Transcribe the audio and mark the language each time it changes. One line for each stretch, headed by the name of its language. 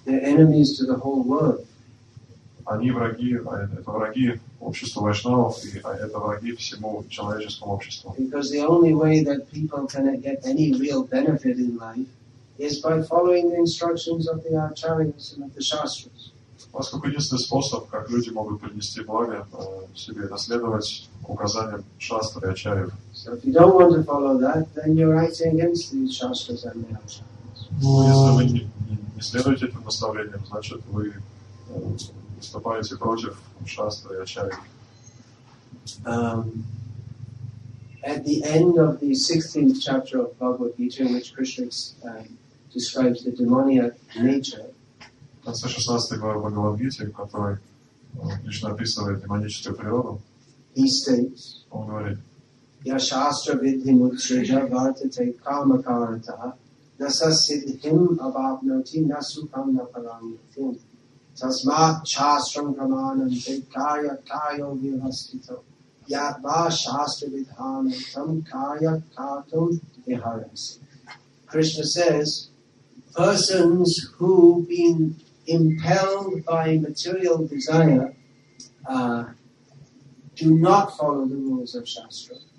English: They're enemies to the whole world.
Russian: Они враги, это враги общества Вайшнава, и это враги всему человеческому обществу.
English: Because the only way that people can get any real benefit in life is by following the instructions of the acharyas and of the shastras.
Russian: Поскольку единственный способ, как люди могут принести благо себе, это следовать указаниям шастр и ачарьев.
English: So if you don't want to follow that, then you're writing against the shastras and the acharyas.
Russian: Если вы не следуете этим наставлениям, значит, вы выступаете против шастры и ачарьев.
English: At the end of the 16th chapter of Bhagavad Gita, in which Krishna describes the demoniac nature,
Russian: в конце 16 главы Бхагавад-гиты, в которой Кришна описывает демоническую природу,
English: he states,
Russian: он говорит,
Sanskrit: «Я шастра видхи мутсриджа вартите калма каварата, наса сидхим абабнати насу камна параньятин, тасма шастрам каманам дикая кайо вирастито, ядва шастра видханам там кая катум вихаранси».
English: Krishna says, persons who been impelled by material desire do not follow the rules of Shastra.